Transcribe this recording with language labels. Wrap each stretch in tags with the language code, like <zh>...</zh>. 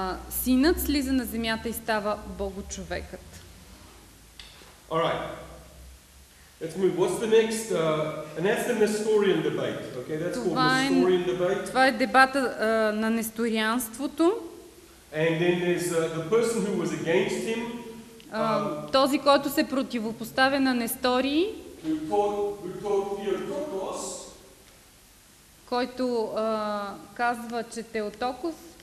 <bg>Синът слиза на земята и става Богочовекът.</bg> <en>All right. Let's move. What's the next? And that's the Nestorian debate. Okay, that's</en> <bg>това</bg> <en>called Nestorian debate.</en> <bg>Това е дебата на несторианството.</bg> <en>And then there's the person who was against him.</en> <bg>Този, който се противопоставя на Нестори.</bg> <en>Theotokos.</en> <bg>Който казва, че Теотокос.</bg>